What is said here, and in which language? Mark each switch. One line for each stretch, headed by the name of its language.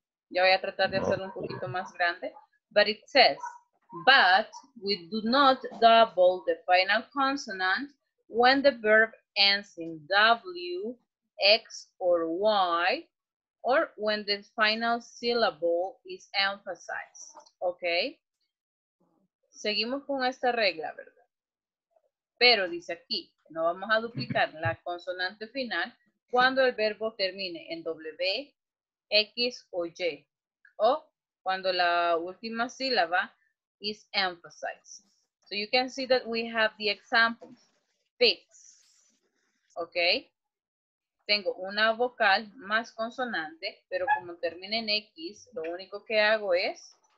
Spanish: Ya voy a tratar de hacerlo un poquito más grande.
English: But it says, but we do not double the final consonant when the verb ends in W, X, or Y, or when the final syllable is emphasized.
Spanish: Okay? Seguimos con esta regla, ¿verdad? Pero dice aquí, no vamos a duplicar la consonante final cuando el verbo termine en W, X o Y. O cuando la última sílaba
English: is emphasized. So you can see that we have the examples. Fix. Okay.
Spanish: Tengo una vocal más consonante, pero como termina en X, lo único que hago es...